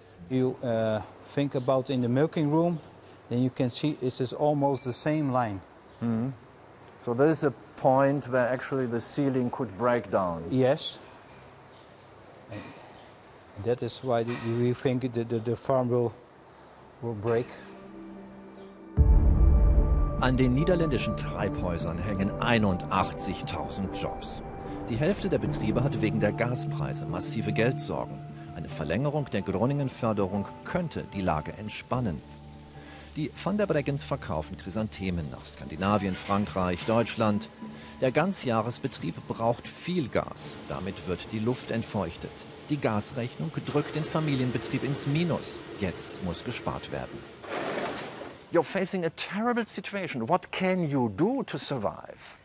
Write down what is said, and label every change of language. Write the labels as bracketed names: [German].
[English] You think about in the milking room, then you can see it is almost the same line. Mm-hmm. So there is a point where actually the ceiling could break down. Yes. And that is why we think the farm will break. [German] An den niederländischen Treibhäusern hängen 81.000 Jobs. Die Hälfte der Betriebe hat wegen der Gaspreise massive Geldsorgen. Eine Verlängerung der Groningen-Förderung könnte die Lage entspannen. Die Van der Breggens verkaufen Chrysanthemen nach Skandinavien, Frankreich, Deutschland. Der Ganzjahresbetrieb braucht viel Gas. Damit wird die Luft entfeuchtet. Die Gasrechnung drückt den Familienbetrieb ins Minus. Jetzt muss gespart werden. [English] You're facing a terrible situation. What can you do to survive?